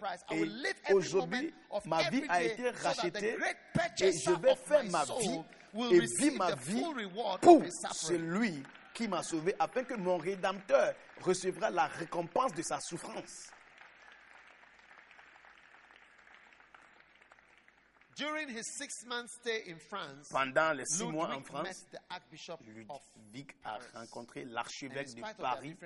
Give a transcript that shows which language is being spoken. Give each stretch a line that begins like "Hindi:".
French: Et aujourd'hui, ma vie a été rachetée et je vais faire ma vie et vivre ma vie pour celui qui m'a sauvé, afin que mon rédempteur recevra la récompense de sa souffrance.
English: During his 6 months stay in France,
French: pendant les 6 mois en France,
English: met the Archbishop
French: Ludwig a rencontré l'archevêque de Paris